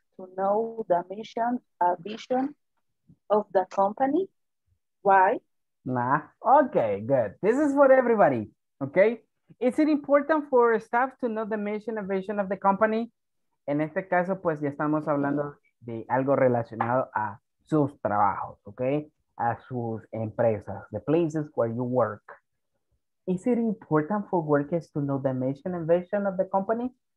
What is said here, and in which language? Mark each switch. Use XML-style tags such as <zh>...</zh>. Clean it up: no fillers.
<en>to know the mission, a vision of the company. Why? Nah. Okay, good. This is for everybody. Okay. Is it important for staff to know the mission and vision of the company?</en> <es>En este caso, pues ya estamos hablando de algo relacionado a sus trabajos, okay? A sus empresas,</es> <en>the places where you work. Is it important for workers to know the mission and vision of the company?</en>